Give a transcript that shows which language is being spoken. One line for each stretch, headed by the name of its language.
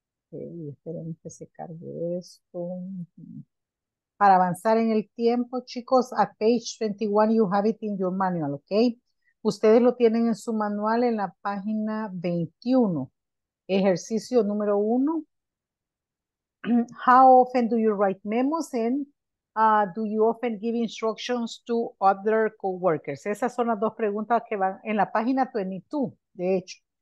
Spanish: Okay, esperen que se cargue esto. Para avanzar en el tiempo, chicos,
English: at page 21, you have it in your manual,
Spanish: ¿ok? Ustedes lo tienen en su manual en la página 21. Ejercicio número 1.
English: How often do you write memos and do you often give instructions to other coworkers?
Spanish: Esas son las dos preguntas que van en la página 22, de hecho.